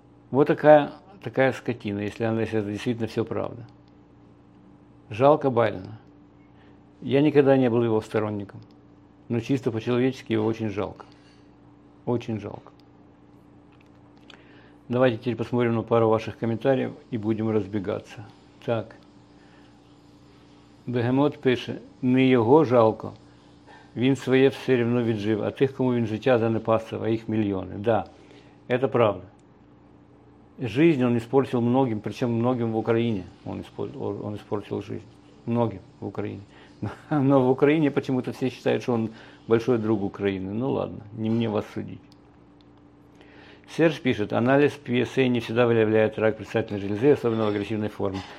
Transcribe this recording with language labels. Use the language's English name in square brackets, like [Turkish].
[Russian] Вот такая скотина, если это действительно все правда. Жалко Байдена. Я никогда не был его сторонником. Но чисто по-человечески его очень жалко. Очень жалко. Давайте теперь посмотрим на пару ваших комментариев и будем разбегаться. Так. [Ukrainian] Бегемот пише, не його жалко, він своє все рівно віджив, а тих, кому він життя занепасив, а їх мільйони. [Russian] Да, это правда. Жизнь он испортил многим, причем многим в Украине он испортил жизнь. Многим в Украине. Но в Украине почему-то все считают, что он большой друг Украины. Ну ладно, не мне вас судить. Серж пишет, анализ PSA не всегда выявляет рак предстательной железы, особенно в агрессивной форме.